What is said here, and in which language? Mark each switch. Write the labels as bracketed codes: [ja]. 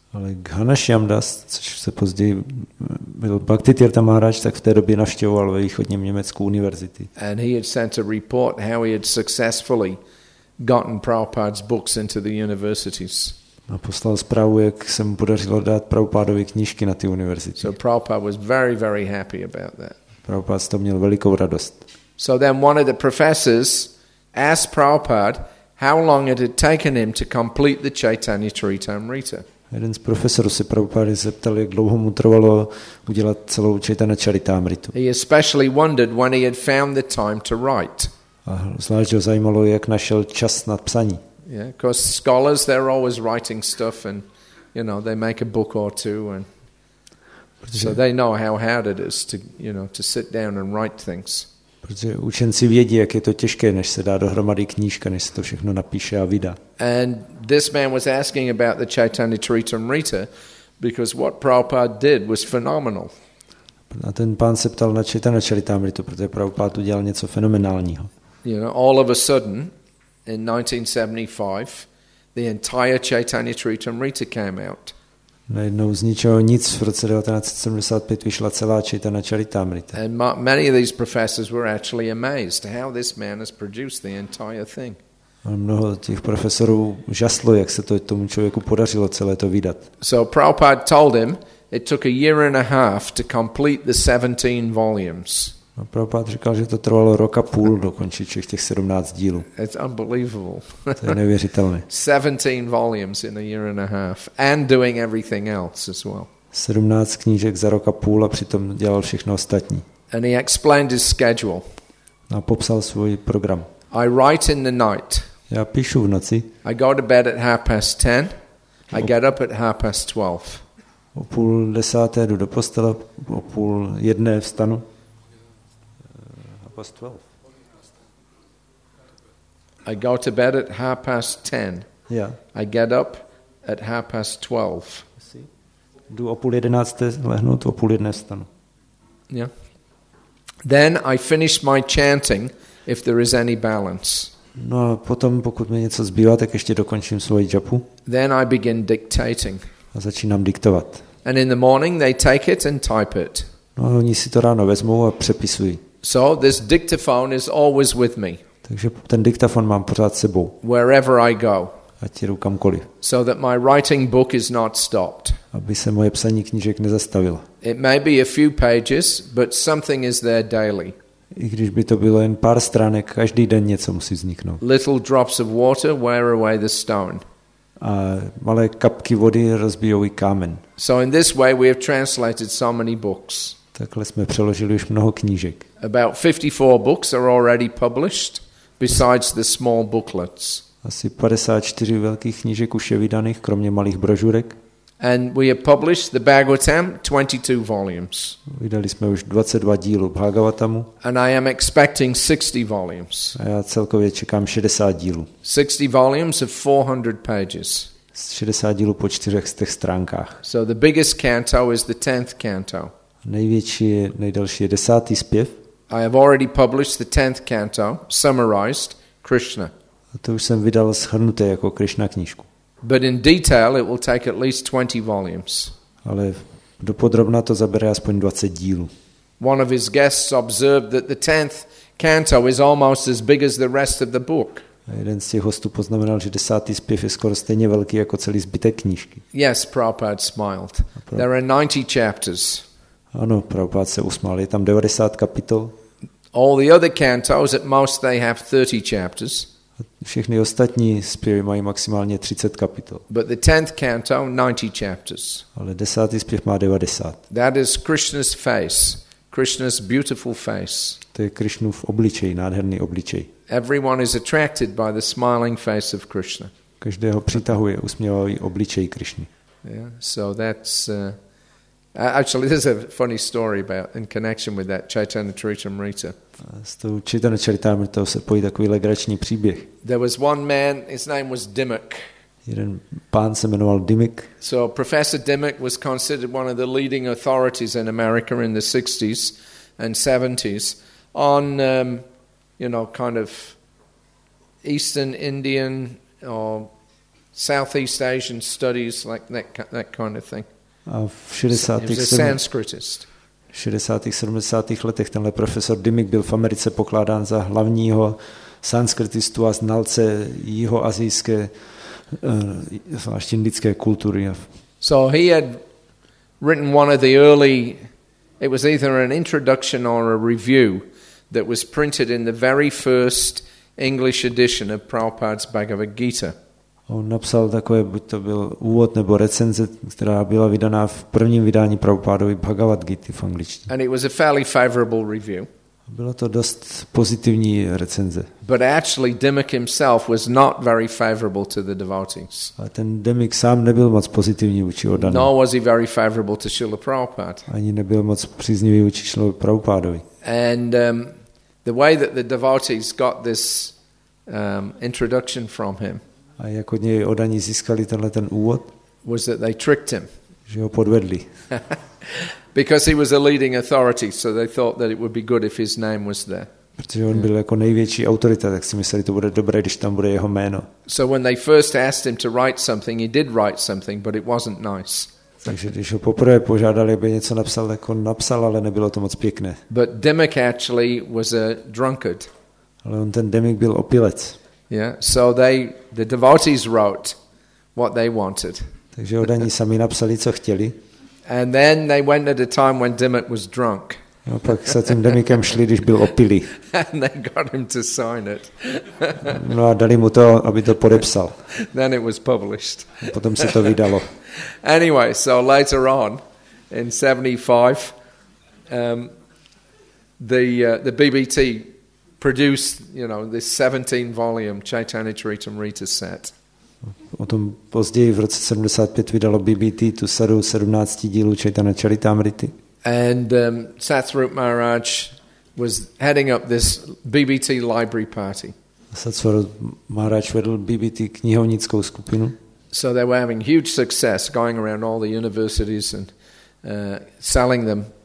[cs] Ale Ghanashyam Das, což se později byl Bhaktitirtha Maharaj, tak v té době navštěvoval ve východním Německu univerzity. [en] And he had sent a report how he had successfully gotten Prabhupada's books into the universities. [cs] A poslal zprávu, jak se mu podařilo dát Prabhupádovi knížky na ty univerzity. [en] So Prabhupada was very, very happy about that. [cs] Prabhupada z toho měl velikou radost. [en] So then one of the professors asked Prabhupada how long it had taken him to complete the Chaitanya Charitamrita. [cs] Jeden z profesorů se Prabhupády zeptal, jak dlouho mu trvalo udělat celou Chaitanya Charitamritu. [en] He especially wondered when he had found the time to write. [cs] A zvlášť ho zajímalo, jak našel čas na psaní. [en] Yeah, because scholars, they're always writing stuff and, you know, they make a book or two and protože, so they know how hard it is to, you know, to sit down and write things. [cs] Protože učenci vědí, jak je to těžké, než se dá dohromady knížka, než se to všechno napíše a vydá. [en] And this man was asking about the Chaitanya Charitamrita because what Prabhupada did was phenomenal. [cs] A ten pán se ptal na Chaitanya Charitamritu, protože Prabhupada udělal něco fenomenálního. [en] You know, all of a sudden, in 1975, the entire Chaitanya Charitamrita came out. [cs] Najednou z ničeho nic v roce 1975 vyšla celá Chaitanya Charitamrita. [en] And many of these professors were actually amazed how this man has produced the entire thing. [cs] A mnoho těch profesorů žaslo, jak se to tomu člověku podařilo celé to vydat. [en] So Prabhupada told him it took a year and a half to complete the 17 volumes. [cs] A Prabhupád říkal, že to trvalo rok a půl dokončit všech těch 17 dílů. [en] It's unbelievable. [cs] To je neuvěřitelné. [en] 17 volumes in a year and a half and doing everything else as well. [cs] 17 knížek za rok a půl a přitom dělal všechno ostatní. [en] And he explained his schedule. [cs] A popsal svůj program. [en] I write in the night. [cs] Já píšu v noci. [en] I go to bed at 10:30. I get up at 12:30. [cs] O půl desáté jdu do postele, o půl jedné vstanu. [en] I go to bed at 10:30. Yeah. I get up at 12:30. [cs] Jdu o půl jedenácté lehnout, o půl jedné stanu. [en] Yeah. Then I finish my chanting if there is any balance. [cs] No, a potom pokud mi něco zbývá, tak ještě dokončím svoji japu. [en] Then I begin dictating. [cs] A začínám diktovat. [en] And in the morning they take it and type it. [cs] No, oni si to ráno vezmou a přepisují. [en] So this dictaphone is always with me. [cs] Takže ten diktafon mám pořád sebou. [en] Wherever I go. [cs] Ať jdu kamkoliv. [en] So that my writing book is not stopped. [cs] Aby se moje psaní knížek nezastavilo. [en] It may be a few pages, but something is there daily. [cs] I když by to bylo jen pár stránek, každý den něco musí vzniknout. [en] Little drops of water wear away the stone. [cs] A malé kapky vody rozbijou i kámen. [en] So in this way we have translated so many books. [cs] Takhle jsme přeložili už mnoho knížek. [en] About 54 books are already published besides the small booklets. [cs] Asi 54 velkých knížek už je vydaných kromě malých brožurek. [en] And we have published the Bhagavatam 22 volumes. [cs] Vydali jsme už 22 dílů Bhagavatamu. [en] And I am expecting 60 volumes. [cs] A já celkově čekám 60 dílů. [en] 60 volumes of 400 pages. [cs] 60 dílů po 400 stránkách. [en] So the biggest canto is the 10th canto. [cs] Největší, nejdelší je desátý zpěv. [en] I have already published the 10th canto, summarized Krishna. [cs] A to už jsem vydal shrnuté jako Krishna knížku. [en] But in detail it will take at least 20 volumes. [cs] Ale dopodrobna to zabere aspoň 20 dílů. [en] One of his guests observed that the 10th canto is almost as big as the rest of the book. [cs] A jeden z těch hostů poznamenal, že desátý zpěv je skoro stejně velký jako celý zbytek knížky. [en] Yes, Prabhupada smiled. There are 90 chapters. [cs] Ano, Prabhupád se usmál, je tam 90 kapitol. [en] All the other cantos, at most they have 30 chapters. [cs] Všechny ostatní zpěvy mají maximálně 30 kapitol. [en] But the 10th canto, 90 chapters. [cs] Ale desátý zpěv má 90. [en] That is Krishna's face, Krishna's beautiful face. [cs] To je Krishnův obličej, nádherný obličej. [en] Everyone is attracted by the smiling face of Krishna. [cs] Každého přitahuje usměvavý obličej Krishny. [en] Yeah, so that's... Actually, there's a funny story about in connection with that Chaitanya Charitamrita. [cs] S tou Chaitanya Charitamritou se pojí takový legrační příběh. [en] There was one man, his name was Dimmock. [cs] Jeden pán se jmenoval Dimmock. [en] So Professor Dimmock was considered one of the leading authorities in America in the 60s and 70s on, you know, kind of Eastern Indian or Southeast Asian studies, like that kind of thing. [cs] A v 60. 70. letech tenhle profesor Dimmock byl v Americe pokládán za hlavního sanskritistu a znalce jihoasijské, zvláště indické kultury. [en] So he had written one of the early, it was either an introduction or a review that was printed in the very first English edition of Prabhupada's Bhagavad Gita. [cs] On napsal takové, buď to byl úvod nebo recenze, která byla vydaná v prvním vydání Prabhupádovy Bhagavad Gita v angličtině. [en] And it was a fairly favorable review. [cs] Byla to dost pozitivní recenze. [en] But actually Dimmock himself was not very favorable to the devotees. [cs] A ten Dimmock sám nebyl moc pozitivní vůči oddaným. [en] Nor was he very favorable to Srila Prabhupada. [cs] Ani nebyl moc příznivý vůči Srila Prabhupádovi. [en] And the way that the devotees got this introduction from him. [cs] A jak od něj oddaní získali tenhle ten úvod? [en] Was that they tricked him. [cs] Že ho podvedli. [en] Because he was a leading authority, so they thought that it would be good if his name was there. [cs] Protože on byl jako největší autorita, tak si mysleli, to bude dobré, když tam bude jeho jméno. [en] So when they first asked him to write something, he did write something, but it wasn't nice. [cs] Takže když ho poprvé požádali, aby něco napsal, tak on napsal, ale nebylo to moc pěkné. [en] But Dimmock actually was a drunkard. [cs] Ale on ten Dimmock byl opilec. [en] Yeah, so the devotees wrote what they wanted. [cs] Takže oddaní sami napsali, co chtěli. [en] And then they went at a time when Dimmock was drunk. [cs] A pak se tím Dimmockem šli, když byl opilý. [en] And they got him to sign it. [cs] No a dali mu to, aby to podepsal. [en] Then it was published. [cs] A potom se to vydalo. [en] Anyway, so later on, in 75, the BBT produced, you know, this 17 volume Chaitanya Charitamrita set. [cs] O tom později v roce 75 vydalo BBT tu sadu 17 dílů Chaitanya Charitamrity. [en] And Satsvarup Maharaj was heading up this BBT library party. [cs] Satsvarup Maharaj vedl BBT knihovnickou skupinu. [en] So they were having huge success going around all the universities and selling them